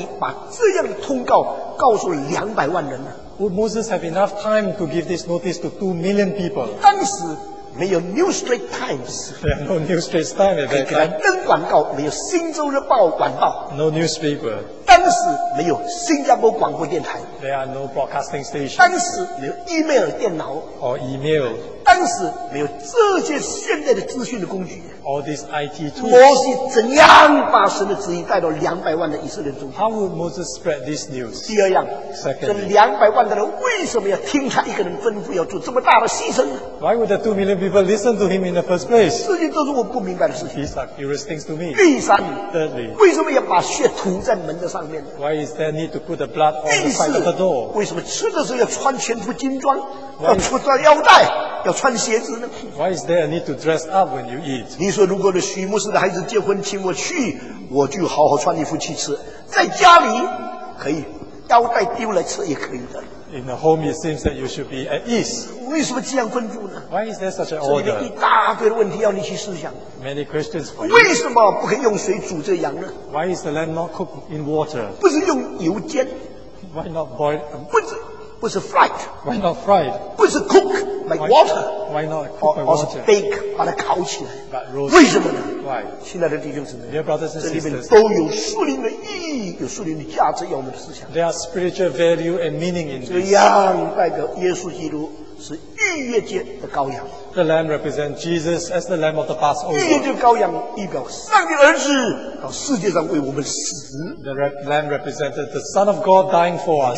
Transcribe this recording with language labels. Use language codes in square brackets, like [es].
[zh] 摩西到底来得及不来得及把这样的通告告诉200万人呢? [en] Would Moses have enough time to give this notice to 2 million people? [zh] 当时, 没有 New Straits Times, [en] there are no New Straits Times at that time. [zh] 可以给他登广告, 没有新州日报广告, [en] no newspaper. [zh] 当时没有新加坡广播电台, [en] there are no broadcasting stations. [zh] 当时没有 email 电脑, [en] or email. [zh] 当时没有这些现代的资讯的工具, [en] all these IT tools. [zh] 摩西怎样把神的旨意带到200万的以色列中, [en] how would Moses spread this news? [zh] 第二样, [en] secondly, [zh] 这200万的人为什么要听他一个人吩咐要做这么大的牺牲? [en] Why would the 2 million people listen to him in the first place? [zh] 这些都是我不明白的事情, [en] these are curious things to me. [zh] 第三, [en] thirdly, [zh] 为什么要把血涂在门的上面? [en] Why is there need to put the blood on the side of the door? [zh] 为什么吃的时候要穿全副金装, 要穿腰带, 要穿鞋子呢? [en] Why is there a need to dress up when you eat? [zh] 你说如果许牧师的孩子结婚请我去, 我就好好穿衣服去吃, 在家里, 可以, 腰带丢来吃也可以的。 [en] In the home it seems that you should be at ease. [zh] 为什么这样吩咐呢? [en] Why is there such an order? [zh] 这里有一大堆的问题要你去思想。 [en] Many questions for you. [zh] 为什么不可以用水煮这羊呢? [en] Why is the lamb not cooked in water? [zh] 不是用油煎, [en] why not boil? [zh] 不是 fried, [en] why not fried? [zh] 不是 [en] cook like water, why not cook by water? [zh] 而是 bake, 把它烤起来, [en] but roast. [zh] 为什么呢? [en] Why? [zh] 亲爱的弟兄姊妹, [en] dear brothers and sisters, [zh] 这里面都有树林的意义, 有树林的价值要我们的思想。 [en] There are spiritual value and meaning in this. [zh] 这样代表耶稣基督是逾越节的羔羊。 [en] The lamb represents Jesus as the lamb of the Passover. [zh] 逾越节的羔羊代表上帝儿子到世界上为我们死。 [en] The lamb represented the Son of God dying for us.